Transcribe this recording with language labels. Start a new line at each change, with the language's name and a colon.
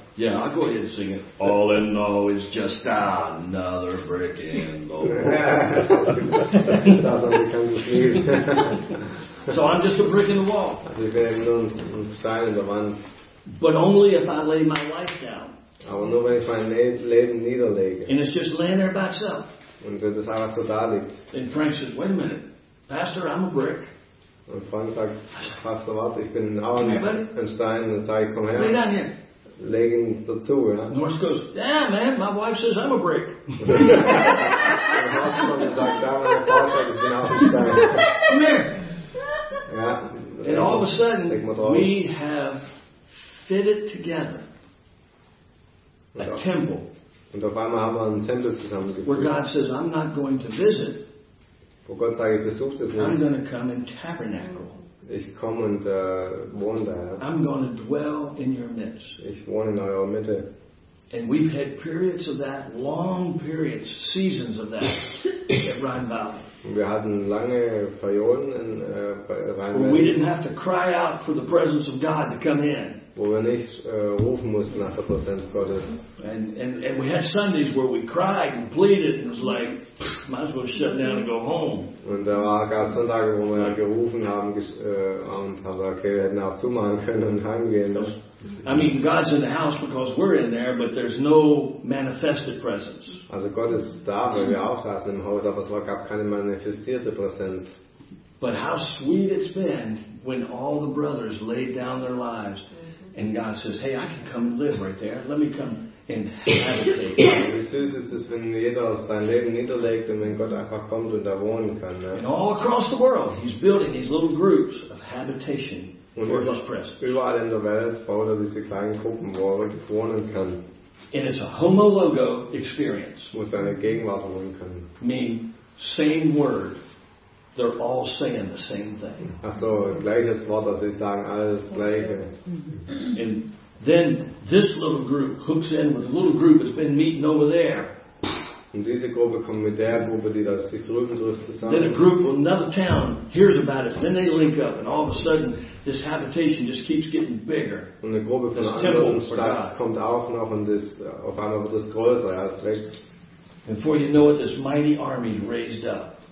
English: Yeah, I'll go ahead and sing it. All in all is just another brick in the wall. So I'm just a brick in the wall. But only if I lay my life down. And it's just laying there by itself. And Frank says, wait a minute, Pastor, I'm a brick.
German: Und Frank sagt, Pastor, warte, ich bin auch ein Stein. Dann sage ich, komm her. Leg ihn dazu, ja.
English: Norse goes, yeah, man, my wife says I'm a brick. Come here. And all of a sudden, we have fitted together a temple.
German: Und auf einmal haben wir einen Tempel zusammengefügt.
English: Where God says, I'm not going to visit.
German: Wo Gott sagt, ich besuche das nicht.
English: I'm going to come in tabernacle.
German: Ich komme und wohne da.
English: I'm going to dwell in your midst.
German: Ich wohne in eurer Mitte.
English: And we've had periods of that, long periods, seasons of that at Rhine Valley.
German: Wir hatten lange Perioden in Rhine Valley.
English: We didn't have to cry out for the presence of God to come in.
German: Wo wir nicht rufen mussten nach der Präsenz Gottes.
English: And we had Sundays where we cried and pleaded and was like, might as well shut down and go home.
German: Und da war gar Sonntage, wo wir gerufen haben und haben gesagt, okay, wir hätten auch zumachen können und heimgehen.
English: I mean, God's in the house because we're in there, but there's no manifested presence.
German: Also Gott ist da, weil wir auch saßen im Haus, aber es gab keine manifestierte Präsenz.
English: But how sweet it's been when all the brothers laid down their lives. And God says, hey, I can come live right there. Let me come and habitate.
German: Wie süß ist es, wenn jeder sein Leben niederlegt und wenn Gott einfach kommt und da wohnen kann. Ne?
English: And all across the world, he's building these little groups of habitation
German: und
English: for his presence.
German: Überall in der Welt baut er diese kleinen Gruppen, wo er wohnen kann.
English: And it's a homologo experience.
German: Wo seine Gegenwart wohnen kann.
English: Mean, same word. They're all saying the same thing.
German: Ach so, gleiches Wort, also sie sagen alles gleiche.
English: And then this little group hooks in with a little group that's been meeting over there.
German: Und diese Gruppe kommt mit der Gruppe, die da sich drüben trifft, zusammen.
English: Then a group from another town hears about it, then they link up, and all of a sudden this habitation just keeps getting bigger.
German: Und eine Gruppe von einer anderen Stadt kommt auch noch und das, auf einmal wird es größer, ja, es wächst.
English: Before you know it, this mighty army raised up.